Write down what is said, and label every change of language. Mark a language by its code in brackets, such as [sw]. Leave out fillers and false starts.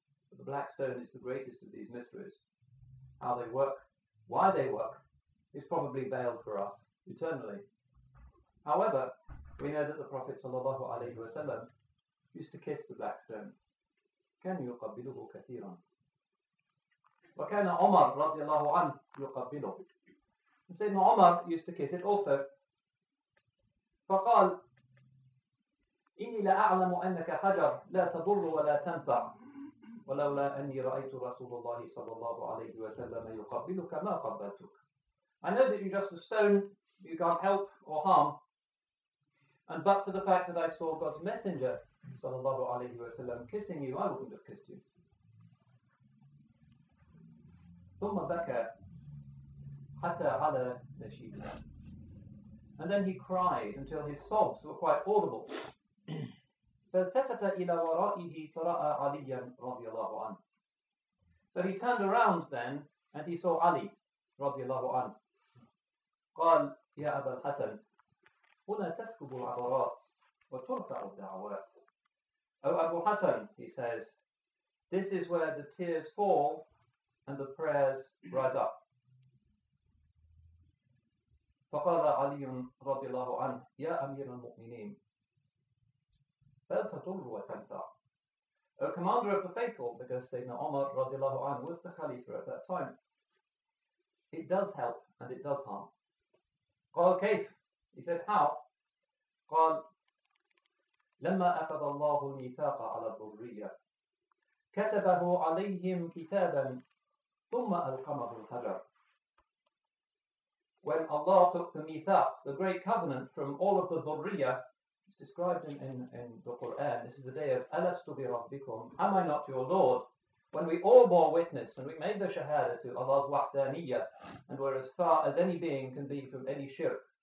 [en] But the black stone is the greatest of these mysteries. How they work, why they work, is probably veiled for us eternally. However, we know that the Prophet sallallahu alaihi wasallam used to kiss the black stone. [ar] كان يقبله كثيرا. وكان عمر رضي الله عنه يقبله. [en] And Sayyidina Umar used to kiss it also. [ar] فقال إني لا أعلم أنك حجر لا تضر ولا تنفع ولولا أني رأيت رسول الله صلى الله عليه وسلم يقبلك ما قبلتك. [en] I know that you're just a stone, you can't help or harm. And but for the fact that I saw God's Messenger, [ar] صلى الله عليه وسلم, [en] kissing you, I wouldn't have kissed you. [ar] ثم بكى حتى على نشيبه. [en] And then he cried until his sobs were quite audible. [ar] فالتفت إلى ورائه فرأى عليا رضي الله عنه. [en] So he turned around then and he saw Ali [ar] رضي الله عنه. قال يا أبا الحسن هنا تسكب العبرات وترفع الدعوات. [en] O Abu Hassan, he says, this is where the tears fall and the prayers rise up. [ar] فقال علي رضي الله عنه يا أمير المؤمنين فلتضر وتنفع. [en] O commander of the faithful, because Sayyidina Umar [ar] رضي الله عنه [en] was the Khalifa at that time, it does help and it does harm. [ar] قال كيف, [en] he said, how? [ar] قال لما أخذ الله الميثاق على الذرية كتبه عليهم كتابا ثم ألقمه الحجر. [en] When Allah took the Mithaq, the great covenant, from all of the Dhurriya, it's described in the Quran, this is the day of Alastu bi Rabbikum, am I not your Lord? When we all bore witness and we made the Shahada to Allah's Wahdaniyya and were as far as any being can be from any shirk,